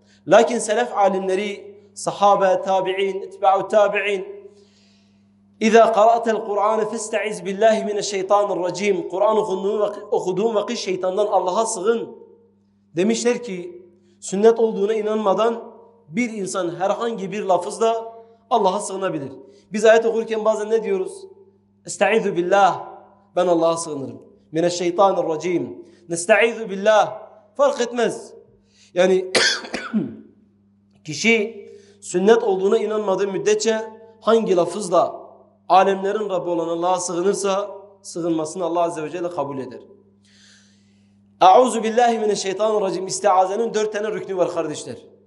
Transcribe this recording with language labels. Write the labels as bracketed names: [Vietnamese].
[Turkish] Lakin selef alimleri, sahabe, tabi'in, etba'u tabi'in, [Arabic] اِذَا قَرَأْتَ الْقُرْعَانِ فَاسْتَعِذْ بِاللّٰهِ مِنَ الشَّيْطَانِ الرَّجِيمِ [Turkish] Kur'an okuduğun vakit şeytandan Allah'a sığın. Demişler ki, sünnet olduğuna inanmadan bir insan herhangi bir lafızla Allah'a sığınabilir. Biz ayet okurken bazen ne diyoruz? [Arabic] اِسْتَعِذُ بِاللّٰهِ [Turkish] Ben Allah'a sığınırım. [Arabic] مِنَ الشَّيْطَانِ الرَّجِيمِ نَسْتَعِذُ بِاللّٰهِ [Turkish] Fark etmez. Yani kişi sünnet olduğuna inanmadığı müddetçe hangi lafızla alemlerin Rabbi olan Allah'a sığınırsa sığınmasını Allah Azze ve Celle kabul eder. [Arabic] Euzu billahi mineşşeytanirracim. [Turkish] İstiazenin dört tane rüknü var kardeşler.